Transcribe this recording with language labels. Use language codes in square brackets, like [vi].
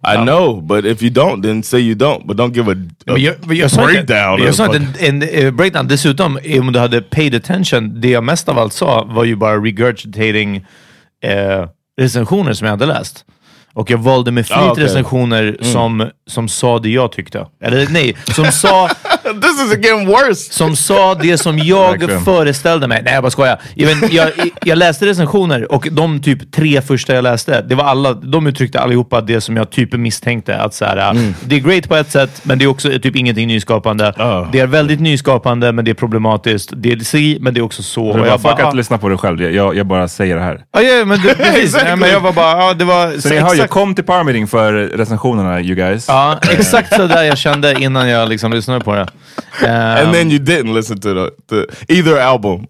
[en] I know, but if you don't, then say you don't. But don't give a breakdown. [sv] Jag sa inte en breakdown. Dessutom, om du hade [en] paid attention, [sv] det jag mest av allt sa var ju bara regurgitating recensioner som jag hade läst. Och jag valde med flit recensioner som sa det jag tyckte. Eller nej, som sa... [en] This is again worse! [sv] Som sa det som jag föreställde mig. Nej, jag bara skojar. Jag läste recensioner och de typ 3 första jag läste, det var alla, de uttryckte allihopa det som jag typ misstänkte. Att så här, det är great på ett sätt, men det är också typ ingenting nyskapande. Det är väldigt nyskapande, men det är problematiskt. Det är si, men det är också så. Du bara, fuck att lyssna på dig själv. Jag bara säger det här. Men jag var bara... det var, jag kom till Power Meeting för recensionerna, [en] you guys. [sv] Ja, exakt så där jag kände innan jag liksom lyssnade på det. [en] And then you didn't listen to the either album.